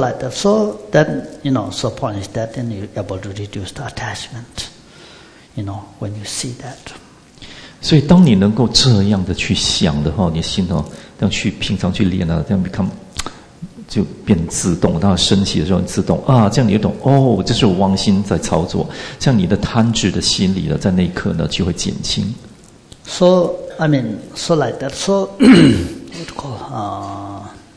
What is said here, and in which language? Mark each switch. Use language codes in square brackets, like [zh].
[en] So, you know, so point is that then you're able to reduce the attachment, you know, when you see that. [zh] 所以当你能够这样的去想的话，你心哦，这样去平常去练啊，这样 [en] become [zh] 就变自动，当它升起的时候自动啊，这样你就懂哦，这是我妄心在操作，这样你的贪执的心理呢，在那一刻呢就会减轻。 [en] So, I mean, so like that, so, what call,